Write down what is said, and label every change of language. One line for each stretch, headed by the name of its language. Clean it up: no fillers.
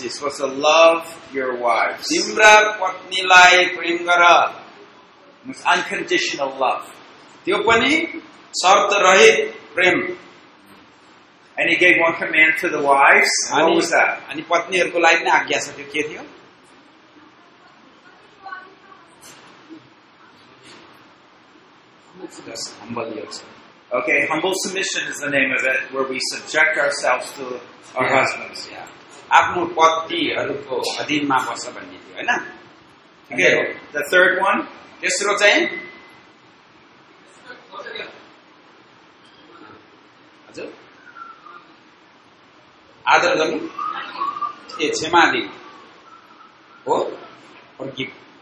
English: You're supposed to love your wives.
Nepali: Timra patni lai prem gara.
English: It's unconditional love.
Nepali: Tyo pani? शर्त रहित प्रेम.
English: And he gave one command to the wives. What was that?
Nepali: अनि पत्नीहरूको लागि नै आज्ञा छ, त्यो के थियो?
English: Okay, humble submission is the name of it, where we subject ourselves to our husbands.
Nepali: आफ्नो पतिहरूको अधीनमा बस्छ भन्ने थियो होइन?
English: Okay, the third one.
Nepali: तेस्रो चाहिँ आदर गर्नु ए क्षमा दिनु हो फर्किनु.